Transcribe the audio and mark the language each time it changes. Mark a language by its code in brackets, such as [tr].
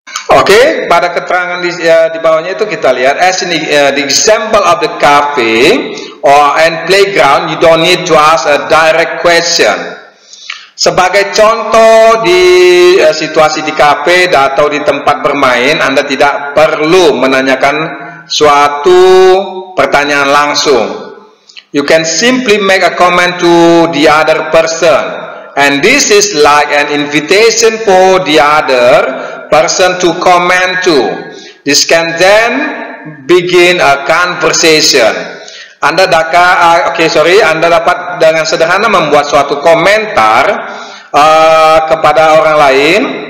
[id] Oke, pada keterangan di bawahnya itu kita lihat [en] as in the example of the cafe or and playground, you don't need to ask a direct question. [id] Sebagai contoh di situasi di cafe atau di tempat bermain, Anda tidak perlu menanyakan suatu pertanyaan langsung. [en] You can simply make a comment to the other person, and this is like an invitation for the other person to comment to. This can then begin a conversation. [id] Anda dapat dengan sederhana membuat suatu komentar kepada orang lain.